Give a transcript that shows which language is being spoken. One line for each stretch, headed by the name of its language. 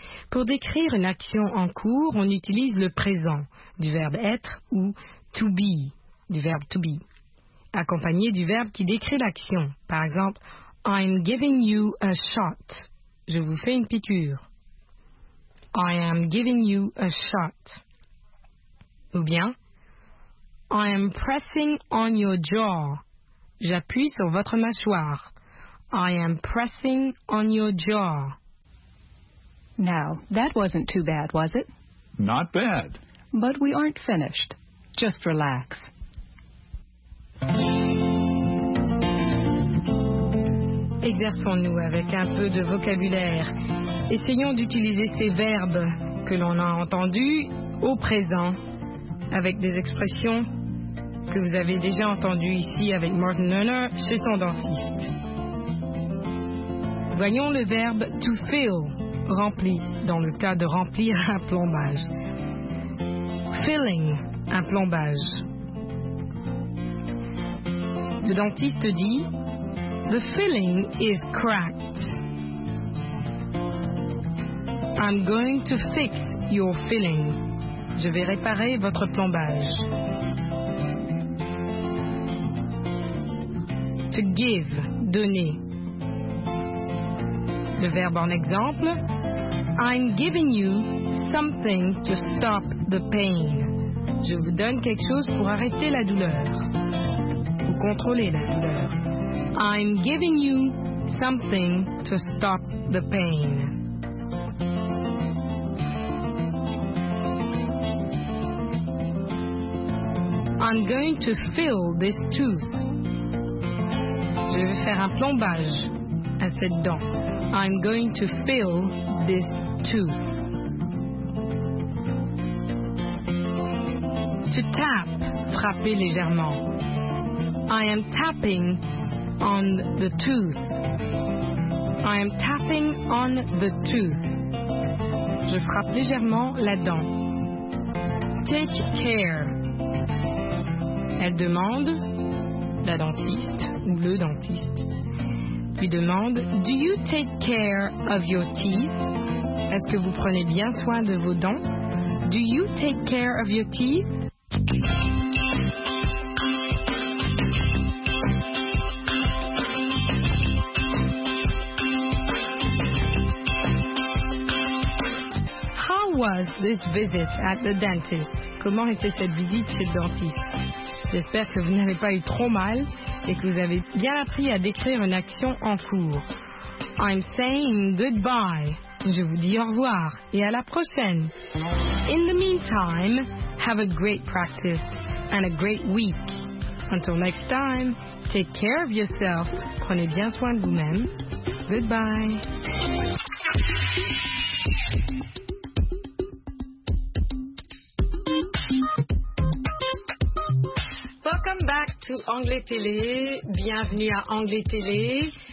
French: Pour décrire une action en cours, on utilise le présent du verbe être ou to be, du verbe to be, accompagné du verbe qui décrit l'action. Par exemple,
English: I'm giving you a shot.
French: Je vous fais une piqûre.
English: I am giving you a shot.
French: Ou bien,
English: I am pressing on your jaw.
French: J'appuie sur votre mâchoire.
English: I am pressing on your jaw. Now, that wasn't too bad, was it? Not bad. But we aren't finished. Just relax.
French: Exerçons-nous avec un peu de vocabulaire. Essayons d'utiliser ces verbes que l'on a entendus au présent avec des expressions que vous avez déjà entendues ici avec Martin Lerner chez son dentiste. Voyons le verbe to fill. Rempli, dans le cas de remplir un plombage. Filling, un plombage. Le dentiste dit,
English: The filling is cracked. I'm going to fix your filling.
French: Je vais réparer votre plombage. To give, donner. Le verbe en exemple,
English: I'm giving you something to stop the pain.
French: Je vous donne quelque chose pour arrêter la douleur. Ou contrôler la douleur.
English: I'm giving you something to stop the pain. I'm going to fill this tooth.
French: Je vais faire un plombage à cette dent.
English: I'm going to fill this tooth.
French: To tap, frapper légèrement.
English: I am tapping on the tooth. I am tapping on the tooth.
French: Je frappe légèrement la dent. Take care. Elle demande, la dentiste ou le dentiste, lui demande,
English: Do you take care of your teeth?
French: Est-ce que vous prenez bien soin de vos dents?
English: Do you take care of your teeth? How was this visit at the dentist?
French: Comment était cette visite chez le dentiste? J'espère que vous n'avez pas eu trop mal et que vous avez bien appris à décrire une action en cours.
English: I'm saying goodbye.
French: Je vous dis au revoir et à la prochaine.
English: In the meantime, have a great practice and a great week. Until next time, take care of yourself.
French: Prenez bien soin de vous-même.
English: Goodbye. Welcome back to Anglais Télé.
French: Bienvenue à Anglais Télé.